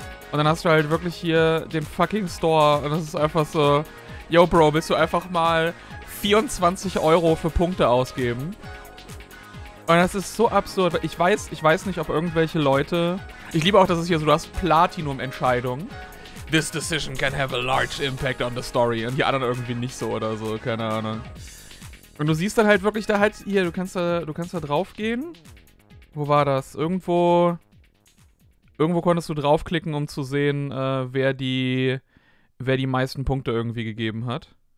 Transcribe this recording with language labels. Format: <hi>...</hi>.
<de>Und dann hast du halt wirklich hier den fucking Store und das ist einfach so, yo Bro, willst du einfach mal 24 Euro für Punkte ausgeben? Und das ist so absurd. Ich weiß nicht, ob irgendwelche Leute... Ich liebe auch, dass es hier so, du hast Platinum-Entscheidungen.</de> <en>This decision can have a large impact on the story.</en> <de>Und die anderen irgendwie nicht so oder so, keine Ahnung. Und du siehst dann halt wirklich da halt, hier, du kannst da drauf gehen. Wo war das? Irgendwo konntest du draufklicken, um zu sehen, wer die meisten Punkte irgendwie gegeben hat.</de>